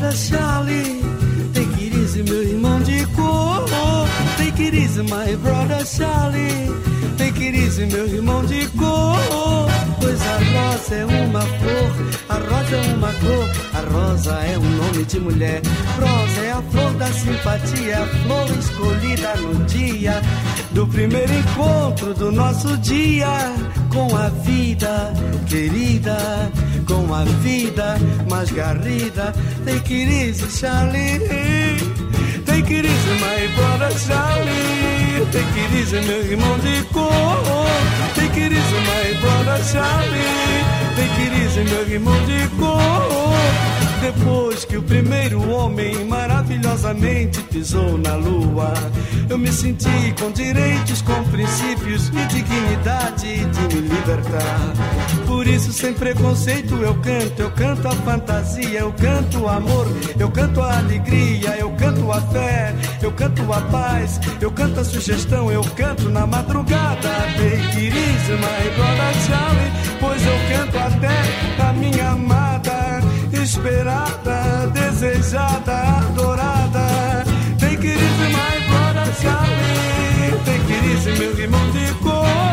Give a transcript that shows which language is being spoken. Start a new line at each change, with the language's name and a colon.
English: Charlie, take it easy,
Portuguese: meu irmão de cor.
English: Take it easy, my brother Charlie. Take it easy,
Portuguese: meu irmão de cor. Pois a rosa é uma flor, a rosa é uma cor. A rosa é um nome de mulher. Rosa é a flor da simpatia, a flor escolhida no dia do primeiro encontro do nosso dia com a vida querida, com a vida mais garrida.
English: Take it easy, Charlie. Take it easy, my brother Charlie. Take it easy,
Portuguese: meu irmão de cor.
English: Take it easy, my brother Charlie. Take it easy,
Portuguese: meu irmão de cor. Depois que o primeiro homem maravilhosamente pisou na lua, eu me senti com direitos, com princípios e dignidade de me libertar. Por isso, sem preconceito, eu canto a fantasia, eu canto o amor, eu canto a alegria, eu canto a fé, eu canto a paz, eu canto a sugestão, eu canto na madrugada.
English: Take it easy, my brother Charlie,
Portuguese: pois eu canto até a minha amada, esperada, desejada, adorada.
English: Take it easy, my brother Charlie.
Portuguese: Take it easy, meu irmão de cor.